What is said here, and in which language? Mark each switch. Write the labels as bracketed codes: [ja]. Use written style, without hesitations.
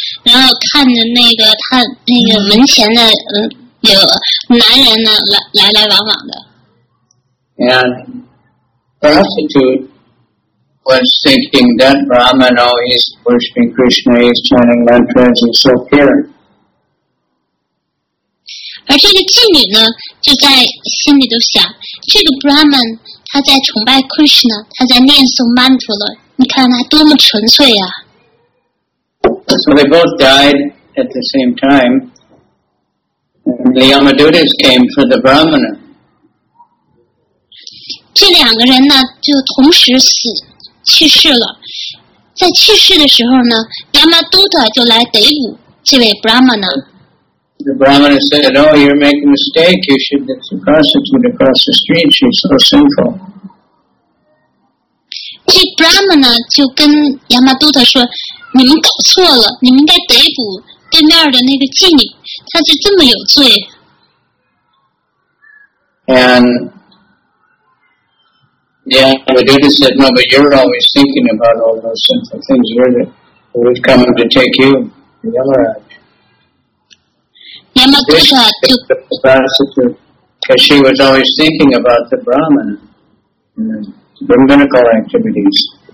[zh] 然后看着他那个门前的有男人呢来往往的。 [en] And prostitute was thinking that Brahman always worshiping Krishna, he's chanting mantras, he's so pure. [zh] 而这个妓女呢，就在心里都想，这个 Brahman 他在崇拜 Krishna， 他在念诵 mantra， 你看他多么纯粹啊。 [en] So they both died at the same time. And the Yamadutas came for the Brahmana. [zh] 这两个人呢，就同时死去世了。在去世的时候呢， Yamaduta 就来逮捕这位 Brahmana。 [en] The Brahmana said, "Oh, you're making a mistake. You should get the prostitute across the street. She's so sinful." [zh] 这 Brahmana 就跟 Yamaduta 说。你们搞错了，你们应该逮捕对面的那个妓女，她是这么有罪。 [en] And yeah, the Buddha said, "No, but you're always thinking about all those sinful things. Who's coming to take you, Yamaraj?" Yamaduta took the prostitute because she was always thinking about the Brahmana and the brahminical activities.